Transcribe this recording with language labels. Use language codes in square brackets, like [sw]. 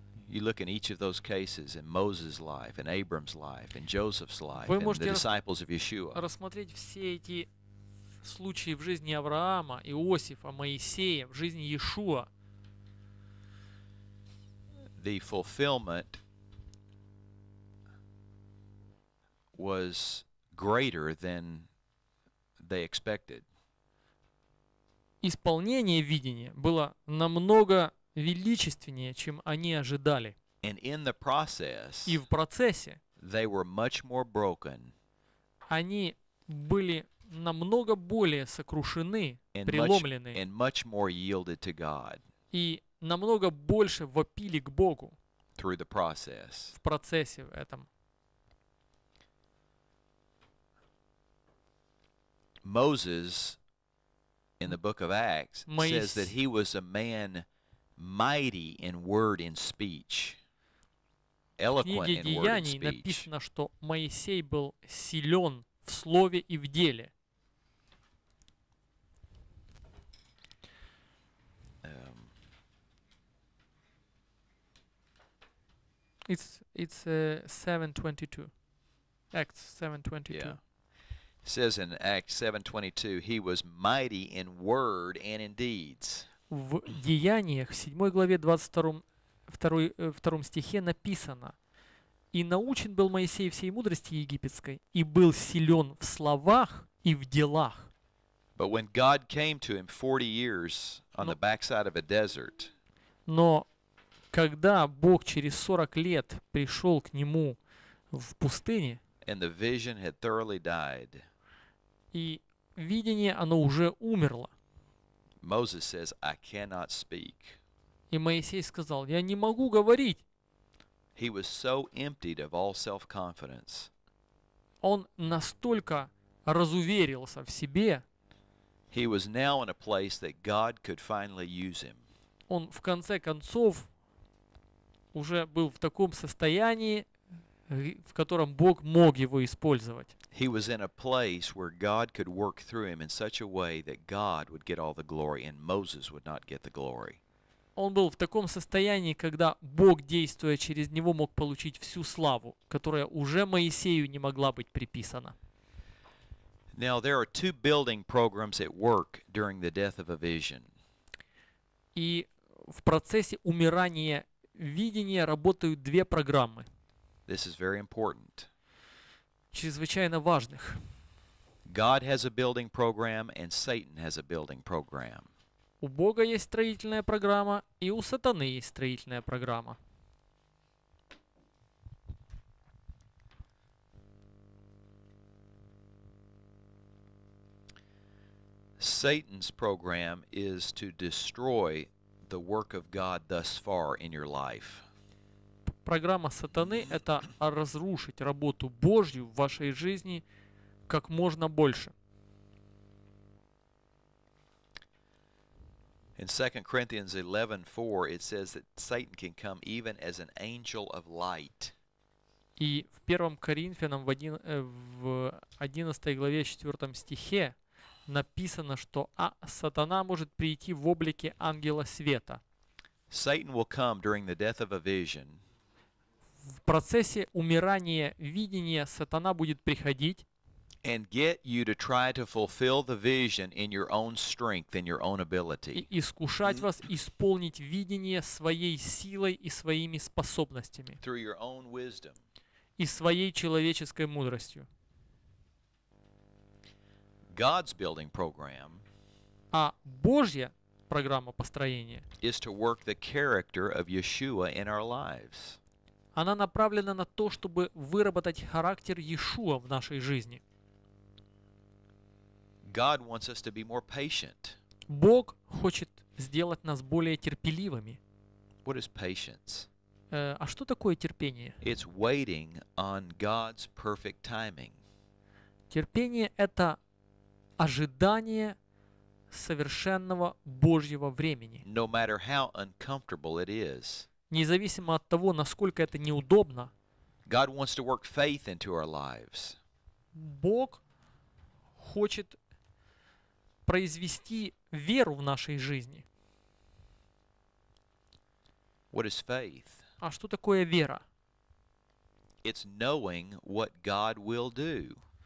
[en] You look in each of those cases in Moses' life, in Abram's life, in Joseph's life, [ru] вы [en] and the disciples of Yeshua. [ru] Рассмотреть все эти случаи в жизни Авраама, Иосифа, Моисея, в жизни Иешуа. [en] The fulfillment was greater than they expected. [ru] Исполнение видения было намного величественнее, чем они ожидали. [en] And in the process, [ru] и в процессе, [en] they were much more broken, [ru] они были намного более сокрушены, [en] and [ru] преломлены, [en] much, and much more yielded to God, [ru] и намного больше вопили к Богу [en] through the process. [ru] В процессе в этом. [en] Moses in the book of Acts says that he was a man mighty in word and speech, eloquent in word and speech. [ru] В книге Деяний написано, что Моисей был силен в слове и в деле. [en] It's 7:22, Acts 7:22. Yeah. It says in Acts 7:22, he was mighty in word and in deeds. [ru] В Деяниях, 7 главе, 22 стихе написано: «И научен был Моисей всей мудрости египетской, и был силен в словах и в делах». [en] But when God came to him 40 years on the backside of a desert, [ru] но когда Бог через 40 лет пришел к нему в пустыне, [en] and the vision had thoroughly died, [ru] и видение, оно уже умерло. [en] Moses says, I cannot speak. [ru] И Моисей сказал, я не могу говорить. [en] He was so emptied of all self-confidence. [ru] Он настолько разуверился в себе. [en] He was now in a place that God could finally use him. [ru] Он в конце концов уже был в таком состоянии, в котором Бог мог его использовать. [en] He was in a place where God could work through him in such a way that God would get all the glory and Moses would not get the glory. [ru] Он был в таком состоянии, когда Бог, действуя через него, мог получить всю славу, которая уже Моисею не могла быть приписана. [en] Now there are two building programs at work during the death of a vision. [ru] И в процессе умирания видения работают две программы. [en] This is very important. [ru] Чрезвычайно важных. [en] God has a building program and Satan has a building program. [ru] У Бога есть строительная программа, и у Сатаны есть строительная программа. [en] Satan's program is to destroy the work of God thus far in your life. [ru] Программа сатаны — это разрушить работу Божью в вашей жизни как можно больше. [en] In 2 Corinthians 11:4 it says that Satan can come even as an angel of light. [ru] И в 1 Коринфянам в 11 главе 4 стихе написано, что сатана может прийти в облике ангела света. [en] Satan will come during the death of a vision. [ru] В процессе умирания видения сатана будет приходить и искушать вас исполнить видение своей силой и своими способностями [en] through your own wisdom. [ru] И своей человеческой мудростью. [en] God's building program, [ru] а Божья программа построения [en] is to work the character of Yeshua in our lives. [ru] Она направлена на то, чтобы выработать характер Иешуа в нашей жизни. [en] God wants us to be more patient. [ru] Бог хочет сделать нас более терпеливыми. [en] What is patience? [ru] А что такое терпение? [en] It's waiting on God's perfect timing. [ru] Терпение — это ожидание совершенного Божьего времени. [en] No matter how uncomfortable it is. [ru] Независимо от того, насколько это неудобно, [en] God wants to work faith into our lives. [ru] Бог хочет произвести веру в нашей жизни. [en] What is faith? [ru] А что такое вера? [en] It's knowing what God will do.